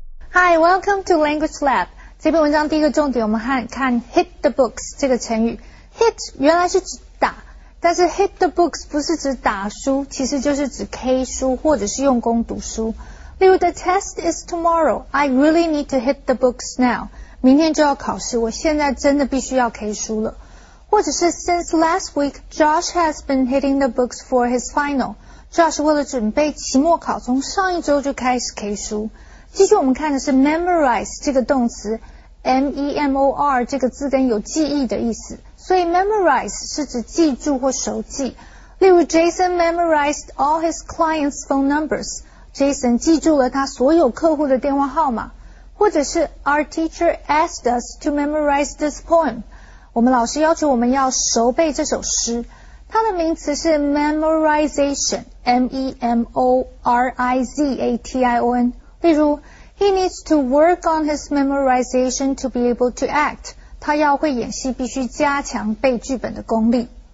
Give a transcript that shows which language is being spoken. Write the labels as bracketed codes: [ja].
[en] Hi, welcome to Language Lab. [zh] 这篇文章第一个重点我们看 hit the books 这个成语。 Hit 原来是指打，但是 hit the books 不是指打书，其实就是指 K 书或者是用功读书。例如 [en] the test is tomorrow, I really need to hit the books now. [zh] 明天就要考试，我现在真的必须要 K 书了。或者是 [en] since last week, Josh has been hitting the books for his final. [zh] Josh 为了准备期末考，从上一周就开始 K 书。继续我们看的是 memorize 这个动词 ,M-E-M-O-R 这个字根有记忆的意思。所以 memorize 是指记住或熟记。例如 [en] Jason memorized all his clients' phone numbers. [zh] Jason 记住了他所有客户的电话号码。或者是 [en] our teacher asked us to memorize this poem. [zh] 我们老师要求我们要熟背这首诗。它的名词是 memorization, M-E-M-O-R-I-Z-A-T-I-O-N。例如 [en] ,he needs to work on his memorization to be able to act. [zh] 他要会演戏必须加强背剧本的功力。